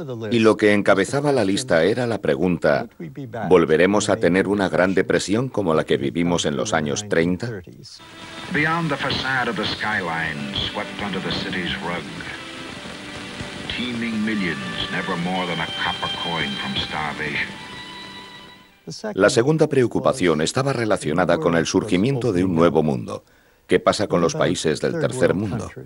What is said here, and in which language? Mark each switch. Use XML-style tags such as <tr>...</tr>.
<es>Y lo que encabezaba la lista era la pregunta: ¿volveremos a tener una gran depresión como la que vivimos en los años 30?</es> <en>Beyond the facade of the skyline swept under the city's rug, teeming millions, never more than a copper coin from starvation.</en> <es>La segunda preocupación estaba relacionada con el surgimiento de un nuevo mundo. ¿Qué pasa con los países del tercer mundo?</es>